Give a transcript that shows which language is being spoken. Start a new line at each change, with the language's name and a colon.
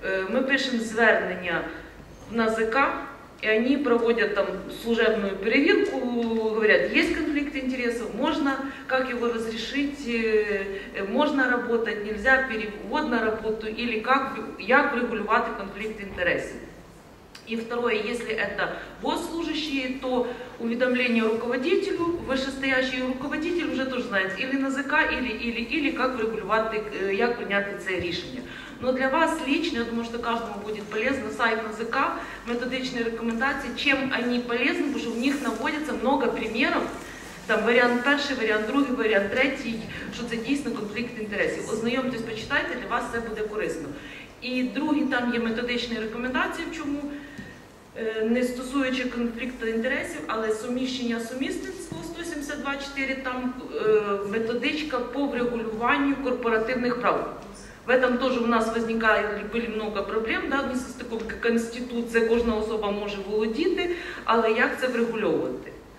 Ukrainian: ми пишемо звернення в НАЗК, і вони проводять там служебну перевірку, говорять, є конфлікт інтересів, можна, як його вирішити, можна працювати, нельзя, перевод на роботу, або як регулювати конфлікт інтересів.
Russian: И второе, если это госслужащие, то уведомление руководителю, вышестоящий руководитель уже тоже знает, или на ЗК, или как регулировать, как принять это решение. Но для вас лично, я думаю, что каждому будет полезно, сайт на ЗК, методичные рекомендации, чем они полезны, потому что в них наводится много примеров, там вариант перший, вариант другий, вариант третий, что это действительно конфликт интересов. Ознайомьтесь, почитайте, для вас это будет полезно. И другий, там есть методичные рекомендации, почему?
Ukrainian: Не стосуючи конфлікту інтересів, але суміщення сумісництво 172.4, там методичка по врегулюванню корпоративних прав.
Russian: В этом тоже у нас возникало, были много проблем,
Ukrainian: да, не стосовно конституції, кожна особа може володіти, але як це врегульовувати?